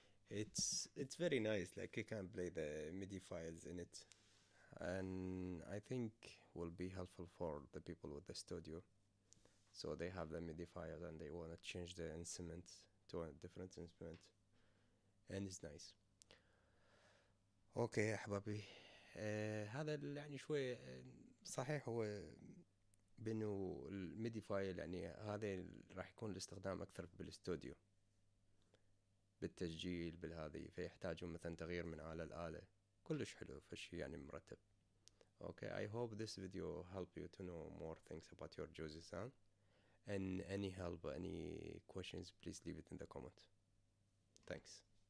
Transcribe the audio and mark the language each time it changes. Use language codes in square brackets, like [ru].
[en] It's very nice, like you can play the MIDI files in it, and I think will be helpful for the people with the studio. So they have the MIDI files and they want to change the instrument to a different instrument, and it's nice. [ar] Okay, أحبابي, هذا يعني شوي صحيح هو بأنه الميدي فايل يعني هذا راح يكون الاستخدام أكثر بالاستوديو بالتسجيل بالهذي فيحتاجون مثلا تغيير من آلة لآلة كلش حلو فشي يعني مرتب. [en] Okay, I hope this video help you to know more things about your Juzisound, and any help, any questions, please leave it in the comment. Thanks.